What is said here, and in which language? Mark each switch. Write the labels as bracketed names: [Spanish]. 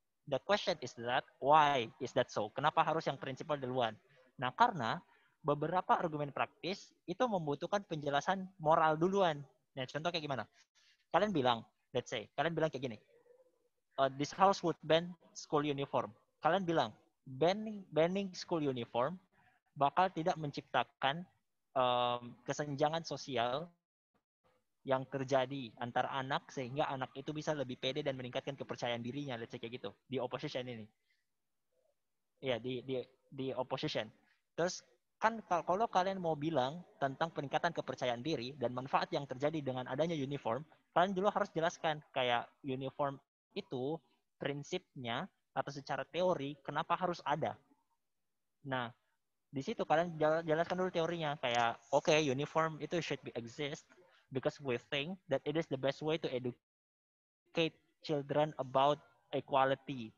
[English] The question is that, why is that so? [Indonesian] Kenapa harus yang prinsipal duluan? Nah, karena beberapa argumen praktis itu membutuhkan penjelasan moral duluan. Nah, contoh kayak gimana? Kalian bilang, [English] let's say, [Indonesian] kalian bilang kayak gini, [English] this house would ban school uniform. [Indonesian] Kalian bilang, banning school uniform bakal tidak menciptakan kesenjangan sosial yang terjadi antar anak, sehingga anak itu bisa lebih pede dan meningkatkan kepercayaan dirinya, [English] let's say [Indonesian] kayak gitu, di opposition ini. Ya, di opposition. Terus, kan kalau kalian mau bilang tentang peningkatan kepercayaan diri dan manfaat yang terjadi dengan adanya uniform, kalian dulu harus jelaskan kayak uniform itu prinsipnya atau secara teori kenapa harus ada. Nah, di situ kalian jelaskan dulu teorinya, kayak [English] okay, uniform itu should be exist because we think that it is the best way to educate children about equality.